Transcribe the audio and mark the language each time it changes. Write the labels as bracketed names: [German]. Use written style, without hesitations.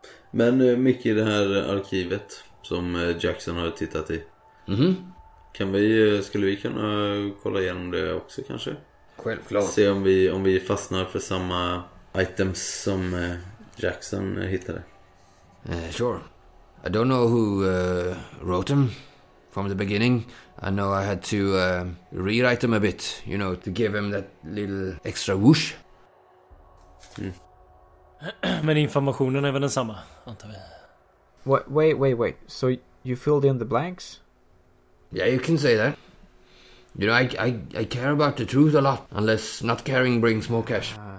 [Swedish] Men Mickey, det här arkivet som Jackson har tittat i. Mm-hmm. Skulle vi kunna kolla igenom det också kanske? Självklart. Se om vi fastnar för samma items som Jackson hittade. [English] Sure. I don't know who wrote them from the beginning. I know I had to rewrite them a bit, you know, to give them that little extra whoosh. Mm. [Swedish] Men informationen är väl densamma, antar vi. [English] Wait. So you filled in the blanks? Yeah, you can say that. You know, I care about the truth a lot, unless not caring brings more cash.